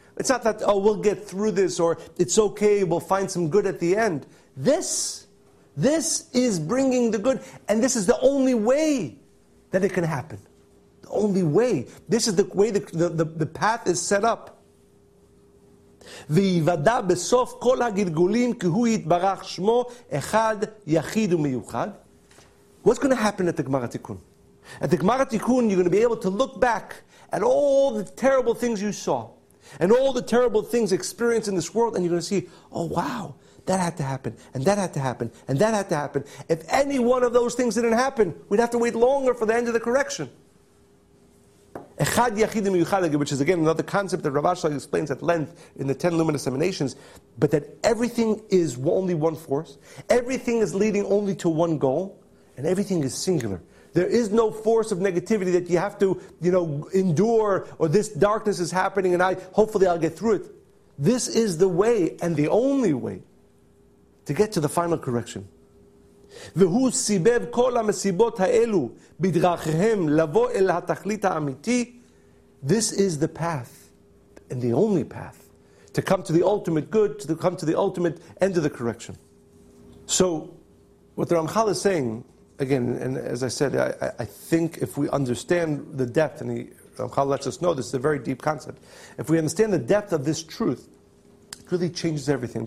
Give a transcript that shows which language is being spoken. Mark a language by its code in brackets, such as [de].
[en] It's not that, oh, we'll get through this, or it's okay, we'll find some good at the end. This is bringing the good, and this is the only way that it can happen. The only way. This is the way the path is set up. [he] וייוודא בסוף כל הגלגולים כי הוא יתברך שמו אחד יחיד ומיוחד. [en] What's going to happen at the Gemara Tikkun? At the Gemara Tikkun, you're going to be able to look back at all the terrible things you saw and all the terrible things experienced in this world, and you're going to see, oh wow, that had to happen, and that had to happen, and that had to happen. If any one of those things didn't happen, we'd have to wait longer for the end of the correction. [he] Echad yachid miyuchad, [en] which is again another concept that Rav Ashlag explains at length in the 10 luminous emanations, but that everything is only one force, everything is leading only to one goal, and everything is singular. There is no force of negativity that you have to, you know, endure, or this darkness is happening, and hopefully I'll get through it. This is the way and the only way to get to the final correction. [he] והוא סיבב כל המסיבות האלו בדרכיהם לבוא אל התכלית האמיתי. [en] This is the path, and the only path, to come to the ultimate good, to come to the ultimate end of the correction. So, what the Ramchal is saying, again, and as I said, I think if we understand the depth, and the Ramchal lets us know this is a very deep concept, if we understand the depth of this truth, it really changes everything.